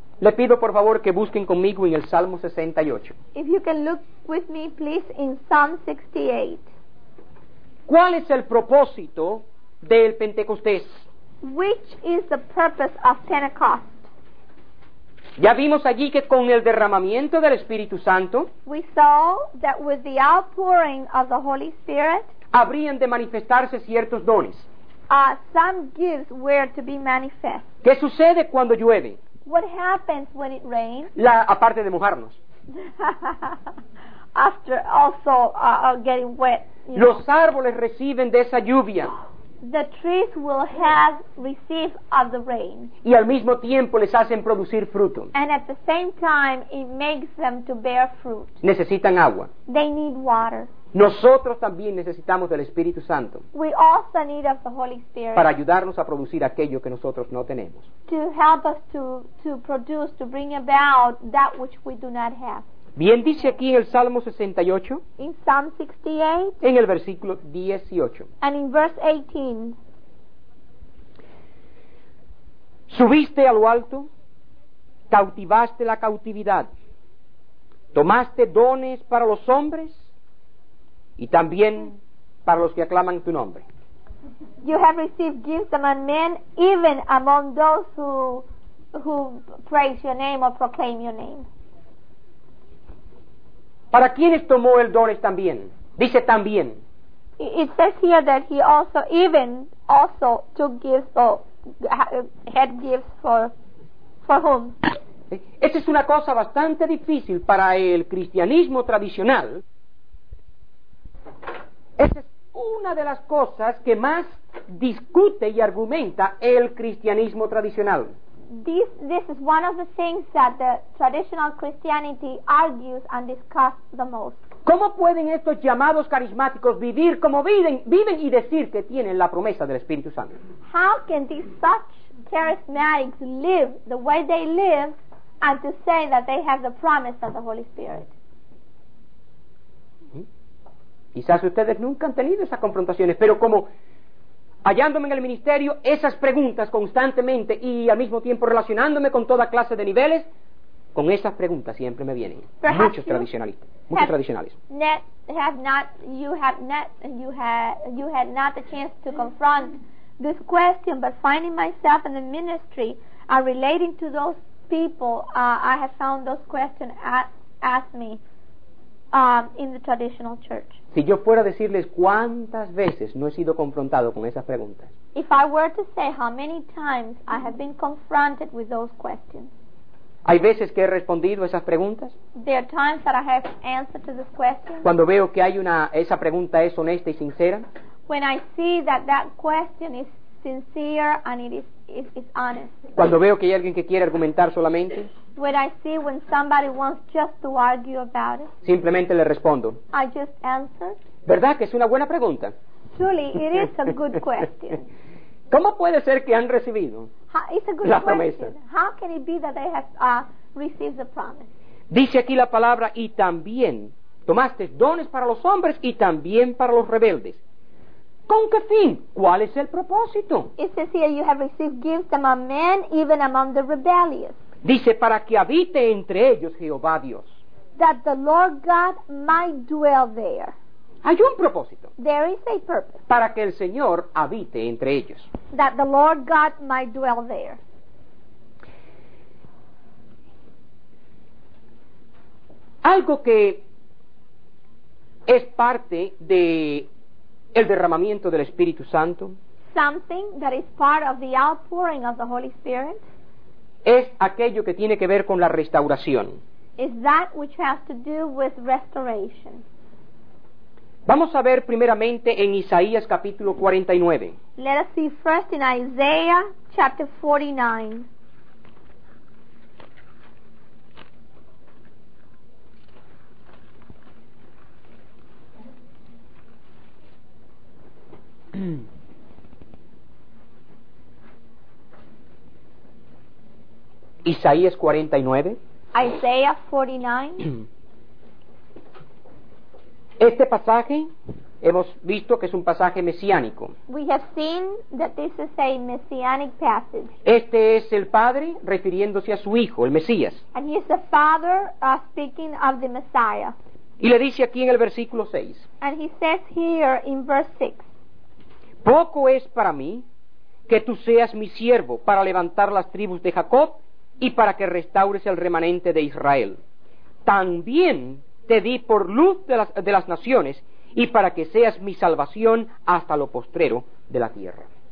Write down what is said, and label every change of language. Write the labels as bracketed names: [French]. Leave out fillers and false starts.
[Spanish] Le pido por favor que busquen conmigo en el Salmo 68. [English] If you can look with me please in Psalm 68. [Spanish] ¿Cuál es el propósito del Pentecostés? [English] Which is the purpose of Pentecost? [Spanish] Ya vimos allí que con el derramamiento del Espíritu Santo, [English] we saw that with the outpouring of the Holy Spirit, [Spanish] habrían de manifestarse ciertos dones. [English] Some gifts were to be manifest. [Spanish] ¿Qué sucede cuando llueve? [English] What happens when it rains? [Spanish] Aparte de mojarnos. [English] After also getting wet. [Spanish] Los árboles reciben de esa lluvia. [English] The trees will have received of the rain. [Spanish] Y al mismo tiempo les hacen producir fruto. [English] And at the same time, it makes them to bear fruit. [Spanish] Necesitan agua. [English] They need water. [Spanish] Nosotros también necesitamos del Espíritu Santo. [English] We also need of the Holy Spirit. [Spanish] Para ayudarnos a producir aquello que nosotros no tenemos. [English] To help us to produce, to bring about that which we do not have. [Spanish] Bien dice aquí en el Salmo 68. [English] In Psalm 68. [Spanish] En el versículo 18. [English] And in verse 18. [Spanish] Subiste a lo alto, cautivaste la cautividad, tomaste dones para los hombres y también para los que aclaman tu nombre. [English] You have received gifts among men, even among those who praise your name or proclaim your name. [Spanish] ¿Para quiénes tomó el dones también? Dice también. [English] It says here that he also even also took gifts or had gifts for whom? [Spanish] Esta es una cosa bastante difícil para el cristianismo tradicional. Esta es una de las cosas que más discute y argumenta el cristianismo tradicional. [English] This is one of the things that the traditional Christianity argues and discusses the most. [Spanish] ¿Cómo pueden estos llamados carismáticos vivir como viven y decir que tienen la promesa del Espíritu Santo? [English] How can these such charismatics live the way they live and to say that they have the promise of the Holy Spirit? [Spanish] Quizás ustedes nunca han tenido esas confrontaciones, pero como hallándome en el ministerio, esas preguntas constantemente y al mismo tiempo relacionándome con toda clase de niveles, con esas preguntas siempre me vienen. [English] Perhaps [Spanish] muchos tradicionalistas, muchos tradicionales. [English] You had not the chance to confront this question, but finding myself in the ministry and relating to those people, I have found those questions asked me in the traditional church. [Spanish] Si yo fuera a decirles cuántas veces no he sido confrontado con esas preguntas. [English] If I were to say how many times I have been confronted with those questions. [Spanish] Hay veces que he respondido a esas preguntas. [English] There are times that I have answered to those questions. [Spanish] Cuando veo que hay una esa pregunta es honesta y sincera. [English] When I see that question is sincere and it is honest. [Spanish] Cuando veo que hay alguien que quiere argumentar solamente. [English] When I see when somebody wants just to argue about it. [Spanish] Simplemente le respondo. [English] I just answer. [Spanish] ¿Verdad que es una buena pregunta? [English] Truly, it is a good question. [Spanish] ¿Cómo puede ser que han recibido la promesa? [English] How can it be that they have received the promise? [Spanish] Dice aquí la palabra y también tomaste dones para los hombres y también para los rebeldes. ¿Con qué fin? ¿Cuál es el propósito? [English] It says here you have received gifts among men, even among the rebellious. [Spanish] Dice para que habite entre ellos Jehová Dios. [English] That the Lord God might dwell there. [Spanish] Hay un propósito. [English] There is a purpose. [Spanish] Para que el Señor habite entre ellos. [English] That the Lord God might dwell there. [Spanish] Algo que es parte de el derramamiento del Espíritu Santo. [English] Something that is part of the outpouring of the Holy Spirit. [Spanish] Es aquello que tiene que ver con la restauración. [English] Is that which has to do with restoration. [Spanish] Vamos a ver primeramente en Isaías capítulo 49. [English] Let us see first in Isaiah chapter 49. [Spanish] Isaías 49. [English] Isaiah 49. [Spanish] Este pasaje hemos visto que es un pasaje mesiánico. [English] We have seen that this is a messianic passage. [Spanish] Este es el padre refiriéndose a su hijo, el Mesías. [English] And he is the father speaking of the Messiah. [Spanish] Y le dice aquí en el versículo 6. [English] And he says here in verse 6. [Spanish] Poco es para mí que tú seas mi siervo para levantar las tribus de Jacob y para que restaures el remanente de Israel. También te di por luz de las naciones y para que seas mi salvación hasta lo postrero de la tierra.